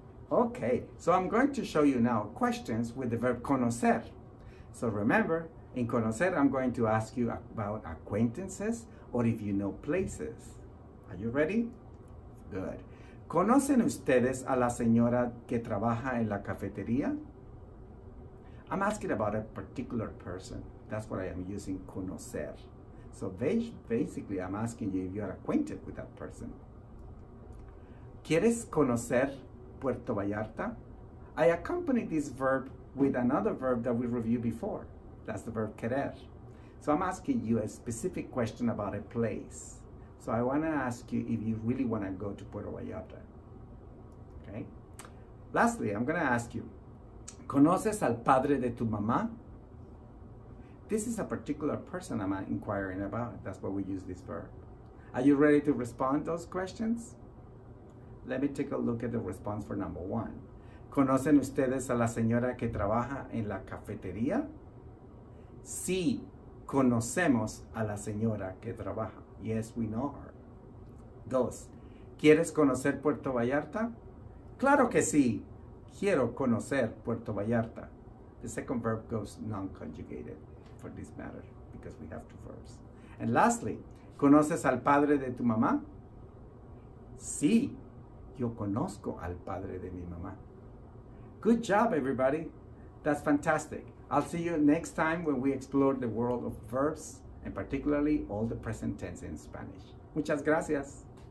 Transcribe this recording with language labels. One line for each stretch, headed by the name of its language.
English: Okay, so I'm going to show you now questions with the verb conocer. So remember, in conocer, I'm going to ask you about acquaintances or if you know places. Are you ready? Good.
Spanish: ¿Conocen ustedes a la señora que trabaja en la cafetería?
English: I'm asking about a particular person. That's what I am using, conocer. So basically, I'm asking you if you are acquainted with that person. ¿Quieres conocer Puerto Vallarta? I accompany this verb with another verb that we reviewed before. That's the verb querer. So I'm asking you a specific question about a place. So I want to ask you if you really want to go to Puerto Vallarta. Okay. Lastly, I'm going to ask you,
Spanish: ¿conoces al padre de tu mamá?
English: This is a particular person I'm inquiring about. That's why we use this verb. Are you ready to respond to those questions? Let me take a look at the response for number one.
Spanish: ¿Conocen ustedes a la señora que trabaja en la cafetería? Sí, conocemos a la señora que trabaja.
English: Yes, we know her.
Spanish: Dos, ¿quieres conocer Puerto Vallarta? Claro que sí, quiero conocer Puerto Vallarta.
English: The second verb goes non-conjugated for this matter because we have two verbs. And lastly,
Spanish: ¿conoces al padre de tu mamá? Sí, yo conozco al padre de mi mamá.
English: Good job, everybody. That's fantastic. I'll see you next time when we explore the world of verbs and particularly all the present tense in Spanish.
Spanish: Muchas gracias.